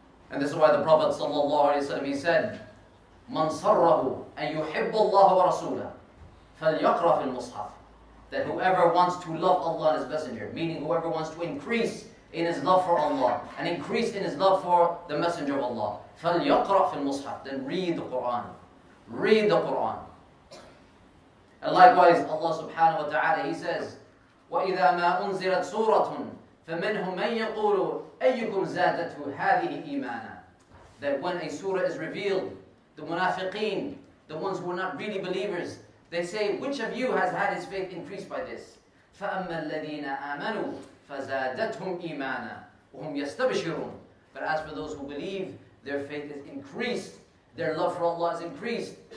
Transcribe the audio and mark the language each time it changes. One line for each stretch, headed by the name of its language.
English: And this is why the Prophet sallallahu alaihi wasallam, he said,
Arabic: مَنْ صَرَّهُ أَنْ يُحِبُّ اللَّهَ وَرَسُولَهُ فَلْيَقْرَ فِي الْمُصْحَفِ.
English: That whoever wants to love Allah and His Messenger, meaning whoever wants to increase in his love for Allah, and increase in his love for the Messenger of Allah,
Arabic: فَلْيَقْرَ فِي الْمُصْحَفِ.
English: Then read the Qur'an. Read the Qur'an. And likewise, Allah subhanahu wa ta'ala, He says,
Arabic: وَإِذَا مَا أُنزِلَتْ سُورَةٌ فَمِنْهُمْ مَنْ يَقُولُ أَيُّكُمْ زَادَتْهُ هَذِهِ إِيمَانًا.
English: That when a surah is revealed, the munafiqeen, the ones who are not really believers, they say, which of you has had his faith increased by this?
Arabic: فَأَمَّا الَّذِينَ آمَنُوا فَزَادَتْهُمْ إِيمَانًا وهم يستبشرون.
English: But as for those who believe, their faith is increased, their love for Allah is increased.